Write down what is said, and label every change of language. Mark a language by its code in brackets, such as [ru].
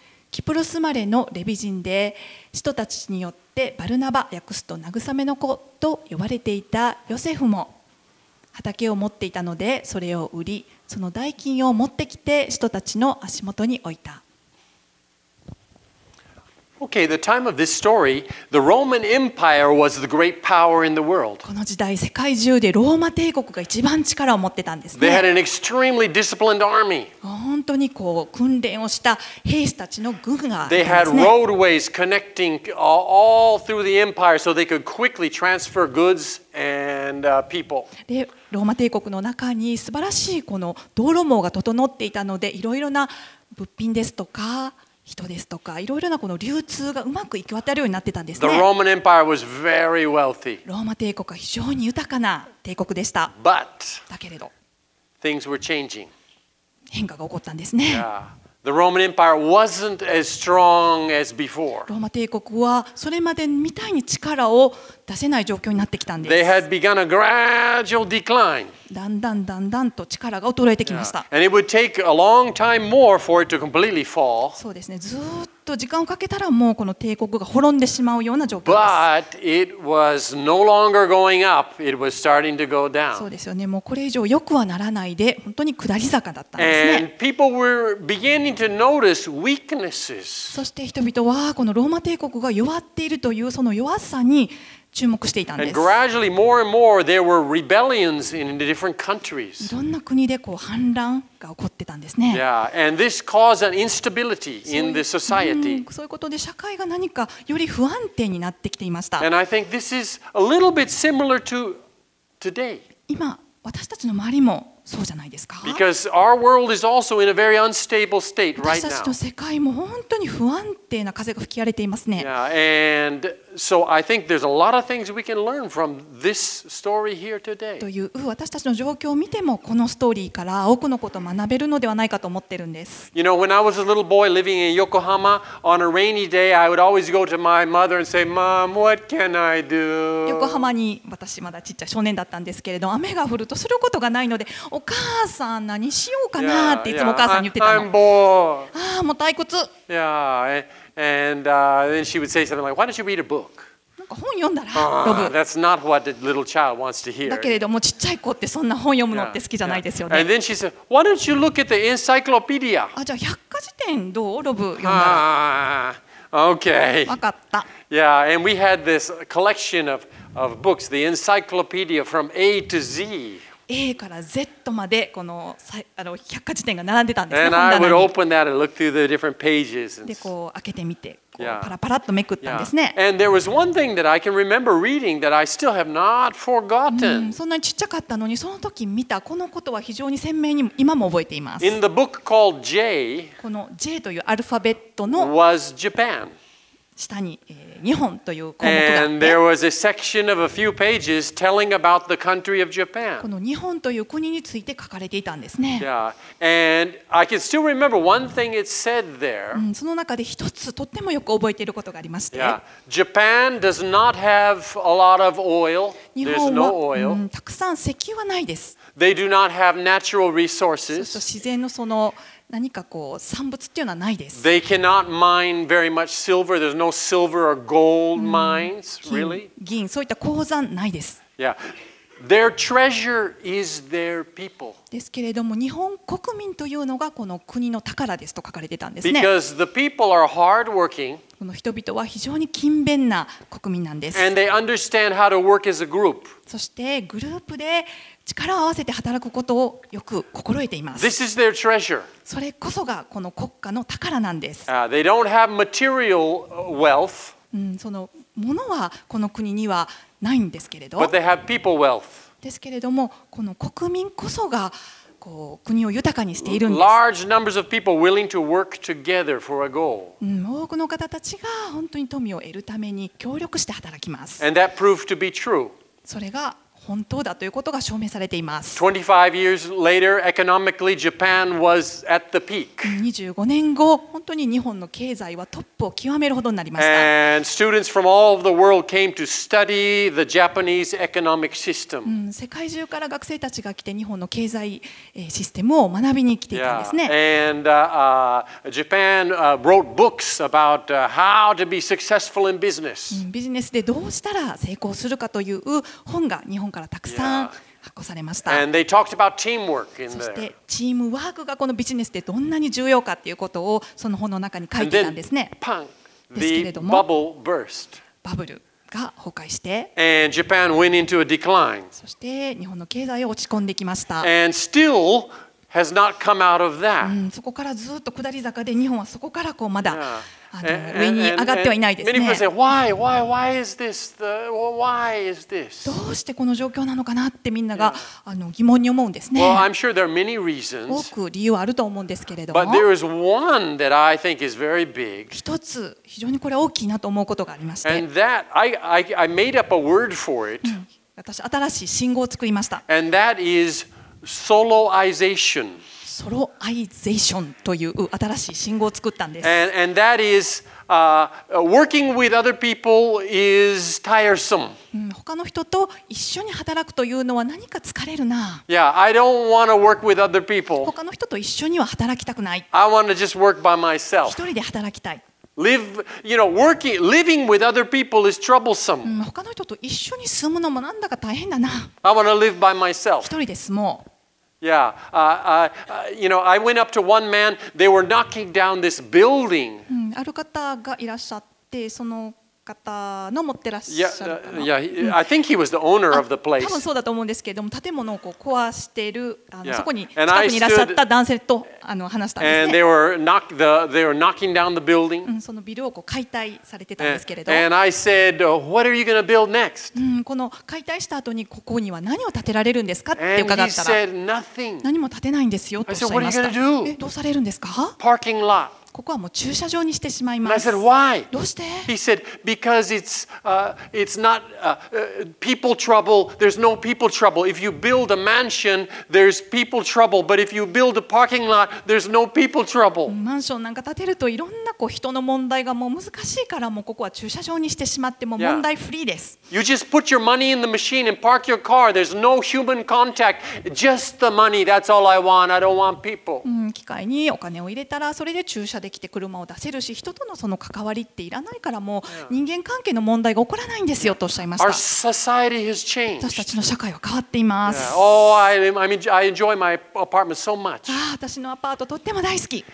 [ja] キプロス生まれのレビ人で、人たちによってバルナバ、訳すと慰めの子と呼ばれていたヨセフも、畑を持っていたのでそれを売り、その代金を持ってきて人たちの足元に置いた。 [en] Okay, the time of this story, the Roman Empire was the great power in the world. [ja] この時代、世界中でローマ帝国が一番力を持ってたんですね。 [en] They had an extremely disciplined army. [ja] 本当にこう訓練をした兵士たちの軍があったんですね。 [en] They had roadways connecting all through the empire so they could quickly transfer goods and people. [ja] で、ローマ帝国の中に素晴らしいこの道路網が整っていたので、いろいろな物品ですとか、人ですとか、いろいろなこの流通がうまく行き渡るようになってたんですね。 [en] The Roman Empire was very wealthy. [ja] ローマ帝国は非常に豊かな帝国でした。 [en] But, [ja] だけれど、 [en] things were changing. [ja] 変化が起こったんですね。 [en] Yeah. The Roman Empire wasn't as strong as before. [ja] ローマ帝国はそれまでみたいに力を出せない状況になってきたんです。 [en] They had begun a gradual decline. [ja] だんだんだんだんと力が衰えてきました。 [en] And it would take a long time more for it to completely fall. [ja] そうですね。ずっと時間をかけたらもうこの帝国が滅んでしまうような状況です。 [en] But it was no longer going up. It was starting to go down. [ja] そうですよね。もうこれ以上良くはならないで本当に下り坂だったんですね。 [en] And people were beginning to notice weaknesses. [ja] そして人々はこのローマ帝国が弱っているというその弱さに注目していたんです。 [en] And gradually, more and more, there were rebellions in different countries. [ja] いろんな国でこう反乱が起こってたんですね。 [en] Yeah, and this caused an instability in the society. [ja] そういうことで社会が何かより不安定になってきていました。 [en] And I think this is a little bit similar to today. [ja] 今私たちの周りもそうじゃないですか。 [en] Because our world is also in a very unstable state right now. [ja] 私たちの世界も本当に不安定な風が吹き荒れていますね。 [en] Yeah, and so I think there's a lot of things we can learn from this story here today. [ja] という私たちの状況を見てもこのストーリーから多くのことを学べるのではないかと思ってるんです。 [en] You know, when I was a little boy living in Yokohama on a rainy day, I would always go to my mother and say, "Mom, what can I do?" [ja] 横浜に私まだちっちゃい少年だったんですけれど、雨が降るとすることがないので。お母さん何しようかなっていつもお母さんに言ってたの。 [en] Yeah, yeah. [ja] ああもう退屈。 [en] Yeah, and then she would say something like, "Why don't you read a book?" [ja] なんか本読んだら読む。 [en] That's not what the little child wants to hear. [ja] だけれどもちっちゃい子ってそんな本読むのって好きじゃないですよね。 [en] Yeah, yeah. And then she said, "Why don't you look at the encyclopedia?" [ja] あじゃあ百科事典どうロブ読んだら。 [en] Okay. [ja] わかった。 [en] Yeah, and we had this collection of books, the encyclopedia from A to Z. [ja] A から Z までこの百科事典が並んでたんですね。本棚に。 [en] And I would open that and look through the [ja] パラパラっとめくったんですね。 [en] And there was one thing that I can remember reading that I still have not forgotten. [ja] そんなにちっちゃかったのにその時見たこのことは非常に鮮明に今も覚えています。 [en] In the book called J. [ja] この J というアルファベットの [en] was Japan. [ja] 下に、日本という項目があって、この日本という国について書かれていたんですね。 [en] And I can still remember one thing it said there. [ja] その中で一つとってもよく覚えていることがありまして、 [en] Japan does not have a lot of oil. [ja] 日本は、たくさん石油はないです。 [en] They do not have natural resources. [ja] そうすると自然のその何かこう産物っていうのはないです。 [en] They cannot mine very much silver. There's no silver or gold mines, really. [ja] 銀、そういった鉱山ないです。 [en] Yeah. Their treasure is their people. [ja] ですけれども、日本国民というのがこの国の宝ですと書かれてたんですね。 [en] Because the people are hardworking. [ja] この人々は非常に勤勉な国民なんです。 [en] And they understand how to work as a group. [ja] そしてグループで力を合わせて働くことをよく心得ています。 [en] This is their treasure. [ja] それこそがこの国家の宝なんです。 [en] They don't have material wealth. [ja] そのものはこの国にはないんですけれど。 [en] But they have people wealth. [ja] ですけれども、この国民こそがこう国を豊かにしているんです。 [en] Large numbers of people willing to work together for a goal. [ja] 多くの方たちが本当に富を得るために協力して働きます。 [en] And that proved to be true. [ja] それが本当だということが証明されています。 [en] 25 years later, economically, Japan was at the peak. [ja] 25年後、本当に日本の経済はトップを極めるほどになりました。 [en] And students from all over the world came to study the Japanese economic system. [ja] 世界中から学生たちが来て日本の経済システムを学びに来ていたんですね。 [en] And Japan wrote books about how to be successful in business. [ja] ビジネスでどうしたら成功するかという本が日本からたくさん発行されました。 [en] And they talked about teamwork in there. [ja] そしてチームワークがこのビジネスでどんなに重要かということをその本の中に書いてたんですね。ですけれども、 [en] bubble burst. [ja] バブルが崩壊して、 [en] And Japan went into a decline. [ja] そして日本の経済を落ち込んできました。 [en] And still has not come out of that. [ja] そこからずっと下り坂で日本はそこからこうまだ、上に上がってはいないですね。 [en] Many people say, why is this why is this? [ja] どうしてこの状況なのかなってみんなが疑問に思うんですね。 [en] Well, I'm sure there are many reasons. [ja] 多く理由はあると思うんですけれども。 [en] But there is one that I think is very big. [ja] 一つ非常にこれ大きいなと思うことがありまして。 [en] And that I made up a word for it. [ja] 私新しい新語を作りました。 [en] And that is soloization. [ja] ソロアイゼーションという新しい信号を作ったんです。 [en] And that is, working with other people is tiresome. [ja] 他の人と一緒に働くというのは何か疲れるな。 [en] Yeah, I don't want to work with other people. [ja] 他の人と一緒には働きたくない。 [en] I want to just work by myself. [ja] 一人で働きたい。 [en] Live, you know, working, living with other people is troublesome. [ja] 他の人と一緒に住むのもなんだか大変だな。 [en] I want to live by myself. [ja] 一人で住もう。 [en] Yeah, you know, I went up to one man. They were knocking down this building. [ja] ある方がいらっしゃって、その方の持ってらっしゃる。 [en] I think he was the owner of the place. [ja] 多分そうだと思うんですけれども、建物をこう壊してる、そこに近くにいらっしゃった男性と話したんですね。 [en] And they were knocking down the building. [ja] そのビルをこう解体されてたんですけれど。 [en] And I said, what are you going to build next? [ja] この解体した後にここには何を建てられるんですかって伺ったら。 [en] And he said nothing. [ja] 何も建てないんですよとおっしゃいました。 [en] I said, what are you going to do? [ja] どうされるんですか [en] ？Parking lot. [ja] ここはもう駐車場にしてしまいます。 [en] And I said, why? [ja] どうして？ [en] He said, because it's not people trouble. There's no people trouble. If you build a mansion, there's people trouble. But if you build a parking lot, there's no people trouble. [ja] マンションなんか建てるといろんなこう人の問題がもう難しいからもうここは駐車場にしてしまっても問題フリーです。 [en] Yeah. You just put your money in the machine and park your car. There's no human contact. Just the money. That's all I want. I don't want people. [ja] 機械にお金を入れたらそれで駐車できて車を出せるし人とのその関わりっていらないからもう人間関係の問題が起こらないんですよとおっしゃいました。 [en] Our society has changed. [ja] 私たちの社会は変わっています。 [en] Oh, I enjoy my apartment so much. [ja] ああ、私のアパートとっても大好き。